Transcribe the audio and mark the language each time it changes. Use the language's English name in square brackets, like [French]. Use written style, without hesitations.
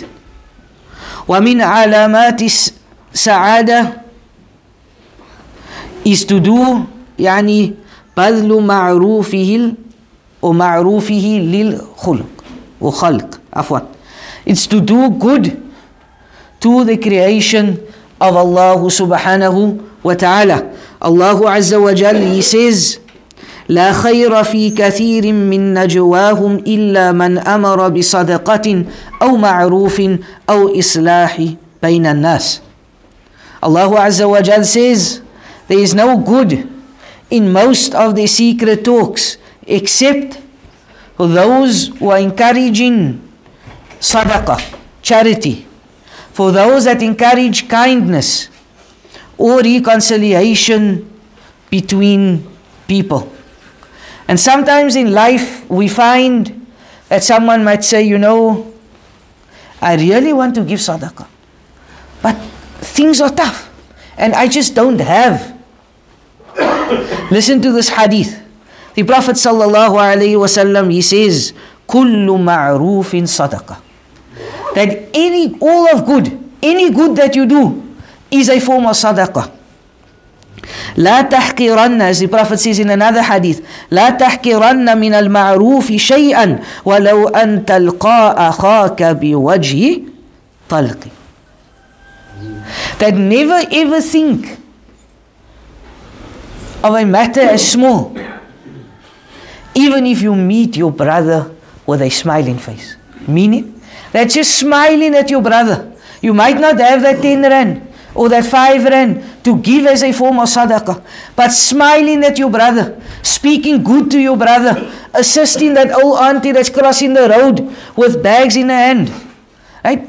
[Arabic] وَمِنْ عَلَامَاتِ السَّعَادَةِ [English] is to do [Arabic] يعني بَذْلُ مَعْرُوفِهِ وَمَعْرُوفِهِ لِلْخُلُقِ وَخَلْقِ عفوان. [English] It's to do good to the creation of Allah subhanahu wa ta'ala. [Arabic] Allah Azza wa Jal, [English] he says, [Arabic] لا خير في كثير من نجواهم إلا من أمر بصدقة أو معروف أو إصلاح بين الناس. [English] Allah Azza wa Jal says, there is no good in most of the secret talks except for those who are encouraging sadaqah, charity, for those that encourage kindness or reconciliation between people. And sometimes in life we find that someone might say, you know, I really want to give sadaqah, but things are tough and I just don't have. Listen to this hadith. The Prophet sallallahu alayhi wa sallam, he says, [Arabic] kullu ma'roofin sadaqah. [English] That any good that you do is a form of sadaqah. [Arabic] لا تحقرن, [English] as the Prophet says in another hadith, [Arabic] لا تحقرن من المعروف شيئا ولو أن تلقى أخاك بوجه طلق. [English] That never ever think of a matter as small, even if you meet your brother with a smiling face. Meaning that just smiling at your brother, you might not have that 10 rand or that 5 rand to give as a form of sadaqah, but smiling at your brother, speaking good to your brother, assisting that old auntie that's crossing the road with bags in her hand. Right?